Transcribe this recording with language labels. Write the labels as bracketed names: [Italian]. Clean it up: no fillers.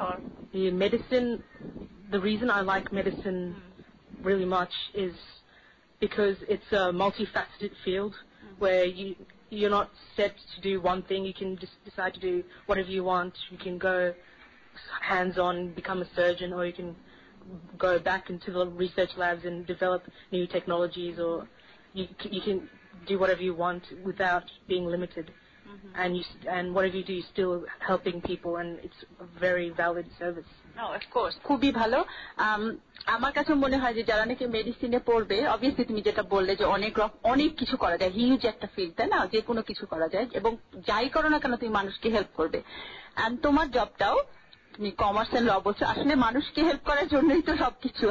[English] Or medicine, the reason I like medicine really much is because it's a multi faceted field where you not set to do one thing, you can just decide to do whatever you want, you can go hands on become a surgeon, or you can go back into the research labs and develop new technologies, or you can do whatever you want without being limited. Mm-hmm. and whatever you do, you're still helping people, and it's a very valid service. [Bangla] খুবই ভালো। আমার কাছে মনে হয় যে যারা নাকি মেডিসিনে পড়বে, অবভিয়াসলি তুমি যেটা বললে যে অনেক কিছু করা যায়, হিউজ একটা ফিল্ড, তাই না? যে কোনো কিছু করা যায় এবং যাই করো না কেন তুমি মানুষকে হেল্প করবে। এন্ড তোমার জবটাও, তুমি কমার্স এন্ড ল বলছো, আসলে মানুষকে হেল্প করার জন্যই তো সবকিছু।